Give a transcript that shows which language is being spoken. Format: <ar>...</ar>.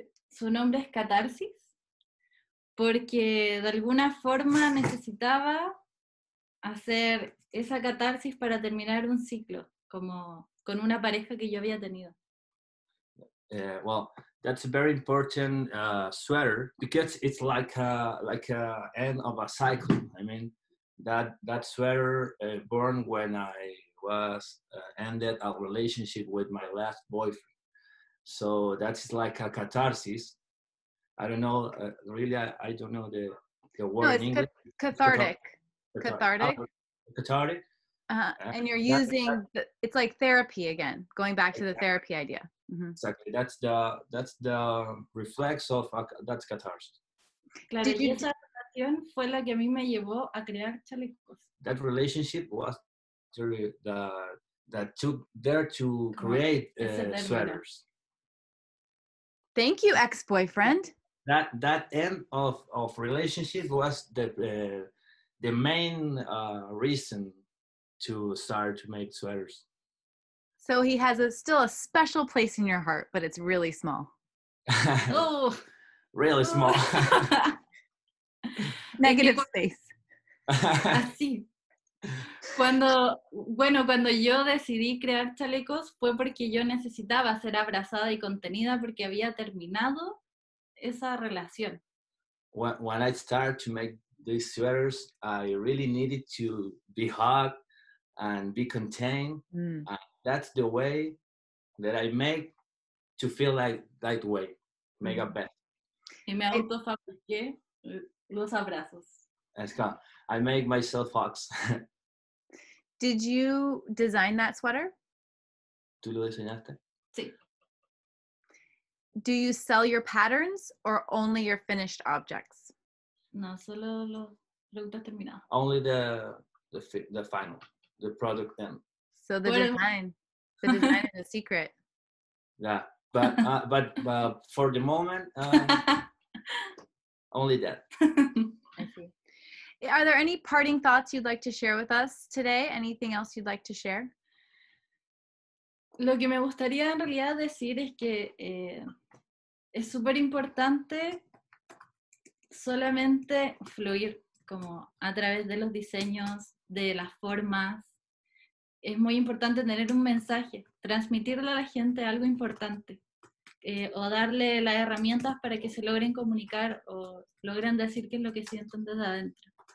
<es>Su nombre es Catarsis porque de alguna forma necesitaba hacer esa catarsis para terminar un ciclo como con una pareja que yo había tenido.</es> <en>That's a very important sweater because it's like a end of a cycle. I mean, that sweater born when I was ended a relationship with my last boyfriend. So that's like a catharsis. I don't know, I don't know the word in English. Cathartic. Uh-huh. And you're using, it's like therapy again, going back to the therapy idea. Mm-hmm. Exactly. That's the reflex of that's catharsis.</en> <es>Claro, y esa relación fue la que a mí me llevó a crear chalecos.</es> <en>That relationship was that took there to create sweaters. Thank you, ex-boyfriend. That end of relationship was the main reason to start to make sweaters. So he has a special place in your heart, but it's really small. Oh, really small. Negative space.</en> <es>Así. Cuando yo decidí crear chalecos fue porque yo necesitaba ser abrazada y contenida porque había terminado esa relación.</es> <en>When I started to make these sweaters, I really needed to be hugged and be contained. That's the way that I make to feel like that way, make a bet.</en> <es>Y me autofabriqué los abrazos.</es> <en>I make myself hugs. Did you design that sweater?</en> <es>¿Tú lo diseñaste? Sí.</es> <en>Do you sell your patterns or only your finished objects?</en> <es>No, solo lo producto terminado.</es> <en>Only the final, the product then. So the design. The design is a secret. Yeah, but for the moment, only that. I see. Are there any parting thoughts you'd like to share with us today? Anything else you'd like to share?</en> <es>Lo que me gustaría en realidad decir es que es súper importante solamente fluir como a través de los diseños, de las formas. Es muy importante tener un mensaje, transmitirle a la gente algo importante o darle las herramientas para que se logren comunicar o logren decir qué es lo que sienten desde adentro.</es>